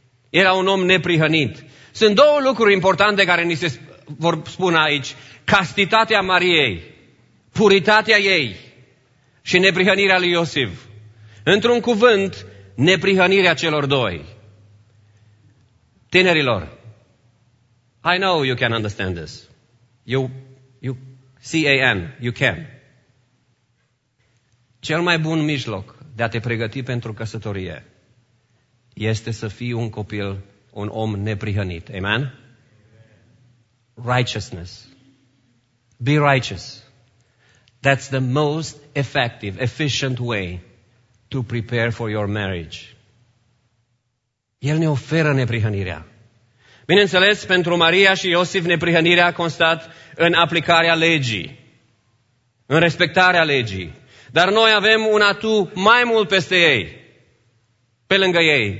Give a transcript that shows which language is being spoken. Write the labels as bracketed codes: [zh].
[ro] Era un om neprihănit. Sunt două lucruri importante care ni se vor spune aici. Castitatea Mariei, puritatea ei. Și neprihănirea lui Iosif. Într-un cuvânt, neprihănirea celor doi. Tinerilor, [en] I know you can understand this. You C-A-N, you can. [ro] Cel mai bun mijloc de a te pregăti pentru căsătorie este să fii un copil, un om neprihănit. [en] Amen? Righteousness. Be righteous. That's the most effective, efficient way to prepare for your marriage. [ro] El ne oferă neprihănirea. Bineînțeles, pentru Maria și Iosif, neprihănirea a constat în aplicarea legii, în respectarea legii. Dar noi avem un atu mai mult peste ei, pe lângă ei.